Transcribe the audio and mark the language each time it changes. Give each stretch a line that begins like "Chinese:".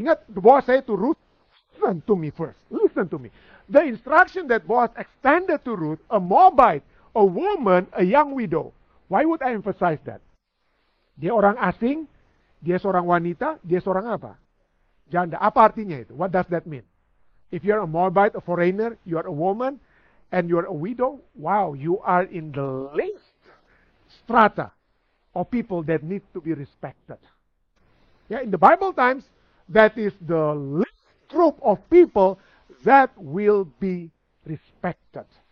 English: Ingat, Boaz said to Ruth, listen to me first, listen to me. The instruction that Boaz extended to Ruth, a Moabite, a woman, a young widow. Why would I emphasize that?
Indonesian: Dia orang asing, dia seorang wanita, dia seorang apa? Janda. Apa artinya itu?
English: What does that mean? If you are a Moabite, a foreigner, you are a woman, and you are a widow, wow, you are in the least strata of people that need to be respected. Yeah, in the Bible times, that is the least group of people that will be respected.